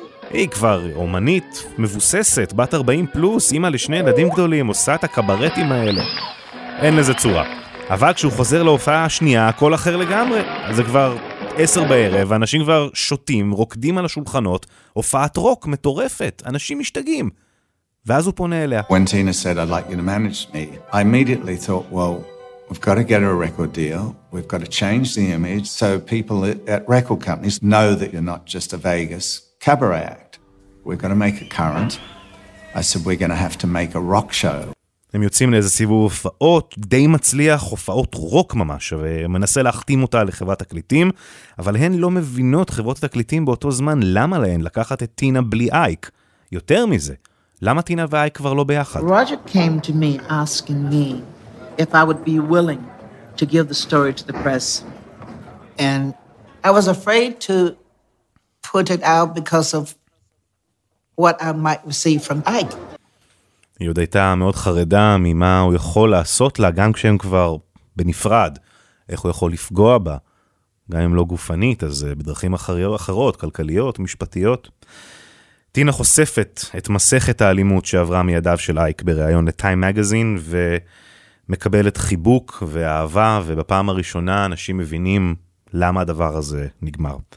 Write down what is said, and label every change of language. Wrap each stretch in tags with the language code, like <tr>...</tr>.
<he>היא כבר אומנית, מבוססת, בת 40 פלוס, אמא לשני ילדים גדולים, עושה את הקברטים האלה. אין לזה צורה. אבל כשהוא חוזר להופעה השנייה, הכל אחר לגמרי. זה כבר 22:00, ואנשים כבר שותים, רוקדים על השולחנות. הופעת רוק מטורפת. אנשים משתגעים. ואז הוא פונה אליה.</he> <en>When Tina said, I'd like you to manage me, I immediately thought, well, we've got to get a record deal. We've got to change the image so people at record companies know that you're not just a Vegas cabaret act. We're going to make a current. I said, we're going to have to make a rock show.</en> <he>הם יוצאים לאיזה סיבוב הופעות, די מצליח, הופעות רוק ממש, ומנסה להחתים אותה לחברת תקליטים, אבל הן לא מבינות חברות התקליטים באותו זמן למה להן לקחת את טינה בלי אייק. יותר מזה, למה טינה ואייק כבר לא ביחד?</he> <en>Roger came to me asking me if I would be willing to give the story to the press. And I was afraid to put it out because of what I might receive from Ike.</en> <he>היא עוד הייתה מאוד חרדה ממה הוא יכול לעשות לה, גם כשהם כבר בנפרד, איך הוא יכול לפגוע בה, גם אם לא גופנית, אז בדרכים אחרות, כלכליות, משפטיות. טינה חושפת את מסכת האלימות שעברה מידיו של אייק בריאיון לטיים מגזין, ומקבלת חיבוק ואהבה, ובפעם הראשונה אנשים מבינים למה הדבר הזה נגמר.</he>